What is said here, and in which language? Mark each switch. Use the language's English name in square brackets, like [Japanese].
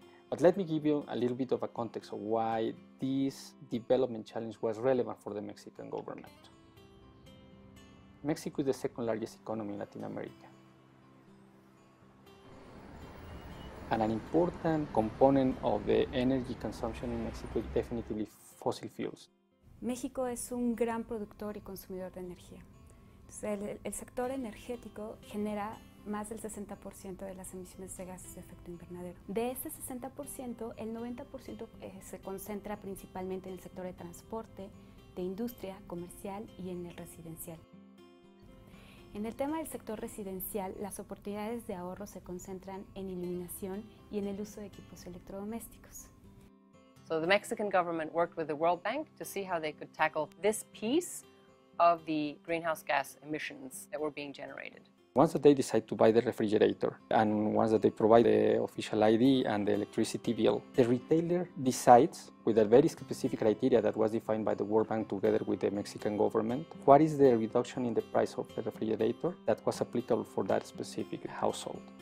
[English] But let me give you a little bit of a context of why this development challenge was relevant for the Mexican government. Mexico is the second largest economy in Latin America. And an important component of the energy consumption in Mexico is definitely fossil fuels. [Spanish] México es un gran productor y consumidor de energía. El sector energético genera más del 60% de las emisiones de gases de efecto invernadero. De ese 60%, el 90% se concentra principalmente en el sector de transporte, de industria, comercial y en el residencial. En el tema del sector residencial, las oportunidades de ahorro se concentran en iluminación y en el uso de equipos electrodomésticos. [English] So the Mexican government worked with the World Bank to see how they could tackle this piece of the greenhouse gas emissions that were being generated. Once that they decide to buy the refrigerator, and once that they provide the official ID and the electricity bill, the retailer decides, with a very specific criteria that was defined by the World Bank together with the Mexican government, what is the reduction in the price of the refrigerator that was applicable for that specific household.